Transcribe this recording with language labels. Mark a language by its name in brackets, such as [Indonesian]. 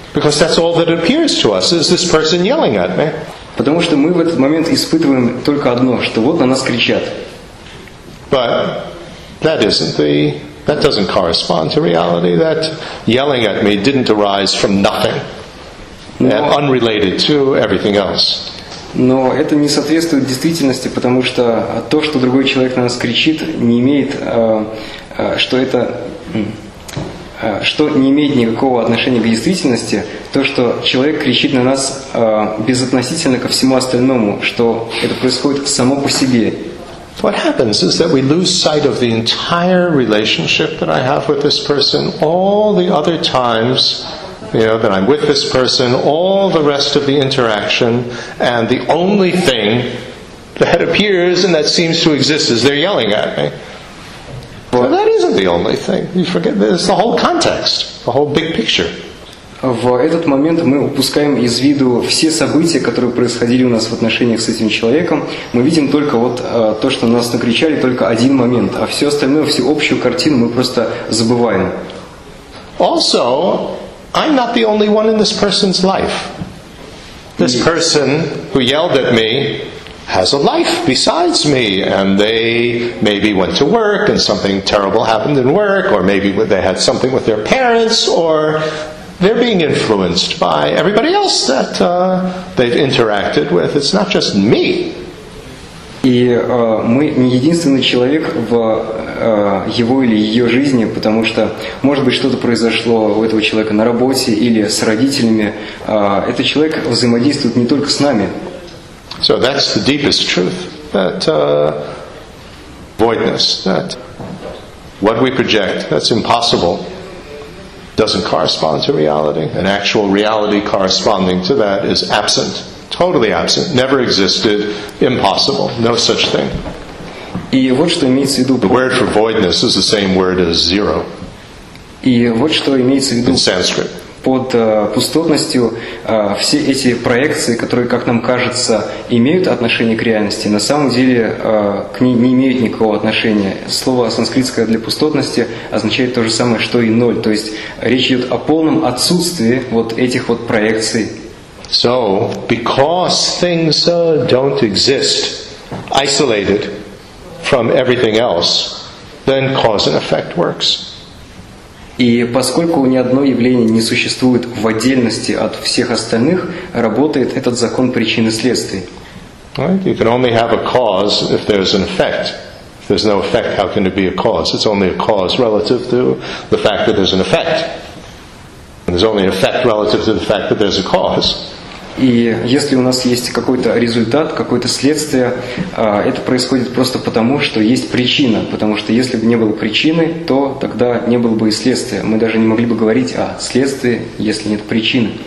[English] Because that's all that appears to us, is this person yelling at me. [Russian] Потому что мы в этот момент испытываем только одно, что вот на нас кричат. [English] But that isn't the, that doesn't correspond to reality. That yelling at me didn't arise from nothing, unrelated to everything else. [Russian] Но это не соответствует действительности, потому что то, что другой человек на нас кричит, не имеет, что не имеет никакого отношения к действительности, то, что человек кричит на нас безотносительно ко всему остальному, что это происходит само по себе. [English] What happens is that we lose sight of the entire relationship that I have with this person, all the other times, you know, that I'm with this person, all the rest of the interaction, and the only thing that appears and that seems to exist is they're yelling at me. But that isn't the only thing. You forget, there's the whole context, the whole big picture. [Russian] В этот момент мы упускаем из виду все события, которые происходили у нас в отношениях с этим человеком. Мы видим только вот то, что нас накричали, только один момент. А все остальное, всю общую картину мы просто забываем. [English] Also, I'm not the only one in this person's life. This person who yelled at me has a life besides me, and they maybe went to work and something terrible happened in work, or maybe they had something with their parents, or they're being influenced by everybody else that they've interacted with. It's not just me. [Russian] И мы не единственный человек в его или ее жизни, потому что, может быть, что-то произошло у этого человека на работе или с родителями. Этот человек взаимодействует не только с нами. [English] So that's the deepest truth, that voidness, that what we project, that's impossible, doesn't correspond to reality. An actual reality corresponding to that is absent. Totally absent, never existed, impossible, no such thing. [Russian] И вот что имеется в виду. [English] The word for voidness is the same word as zero. [Russian] И вот что имеется в виду. [English] In Sanskrit. [Russian] Под пустотностью все эти проекции, которые, как нам кажется, имеют отношение к реальности, на самом деле к ней не имеют никакого отношения. Слово санскритское для пустотности означает то же самое, что и ноль. То есть речь идет о полном отсутствии вот этих вот проекций. [English] So, because things don't exist isolated from everything else, then cause and effect works. [Russian] И поскольку ни одно явление не существует в отдельности от всех остальных, работает этот закон причины следствий. [English] Right? You can only have a cause if there's an effect. If there's no effect, how can it be a cause? It's only a cause relative to the fact that there's an effect. And there's only an effect relative to the fact that there's a cause. [Russian] И если у нас есть какой-то результат, какое-то следствие, это происходит просто потому, что есть причина. Потому что если бы не было причины, то тогда не было бы и следствия. Мы даже не могли бы говорить о следствии, если нет причины.